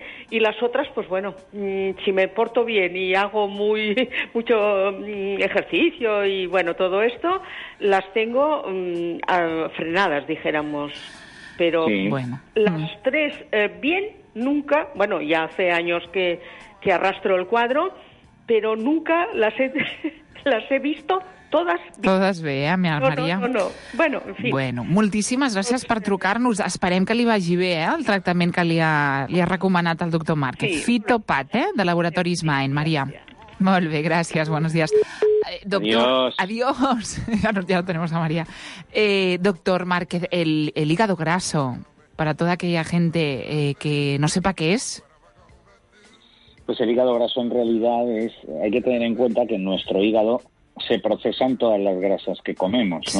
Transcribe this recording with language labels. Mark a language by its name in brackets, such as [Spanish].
[Spanish] y las otras, pues bueno, si me porto bien y hago mucho ejercicio y bueno, todo esto, las tengo frenadas, dijéramos. Pero las tres bien, nunca, bueno, ya hace años que arrastro el cuadro, pero nunca las he visto todas. [Catalan] Todas bé, meva Maria. No. Bueno, en fi. Bueno, moltíssimes gràcies per trucar-nos. Esperem que li vagi bé, el tractament que li ha recomanat el doctor Márquez. Sí. Fitopat, de Laboratoris Main, Maria. Molt bé, gràcies, [Spanish] buenos días. Doctor, adiós. Ya lo tenemos a María. Doctor Márquez, el hígado graso, para toda aquella gente que no sepa qué es. Pues el hígado graso en realidad es, hay que tener en cuenta que en nuestro hígado se procesan todas las grasas que comemos, ¿no?